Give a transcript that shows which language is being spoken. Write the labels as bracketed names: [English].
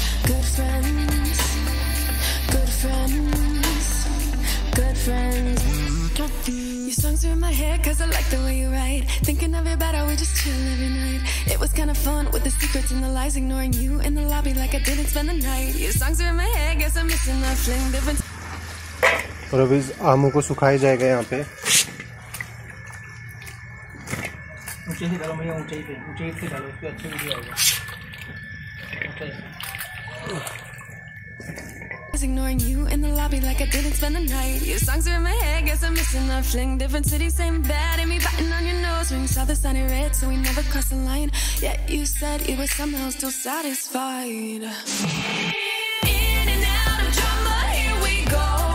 [English] Good friends, good friends, good friends. Your songs are in my head, cause I like the way you write. Thinking of it better, we just chill every night. It was kinda fun with the secrets and the lies, ignoring you in the lobby like I didn't spend the night. Your songs are in my head, guess I'm missing the fling difference. [Hindi] और अभी आमों को सुखाया जाएगा यहाँ पे। ऊंचे से डालो भैया, ऊंचे से डालो, उसके अच्छे वीडियो आएगा। [English] Ignoring you in the lobby like I didn't spend the night. Your songs are in my head, guess I'm missing the fling. Different city, same bed, and me biting on your nose. When you saw the sun in red, so we never crossed the line. Yet you said it was somehow still satisfied. In and out of drama, here we go.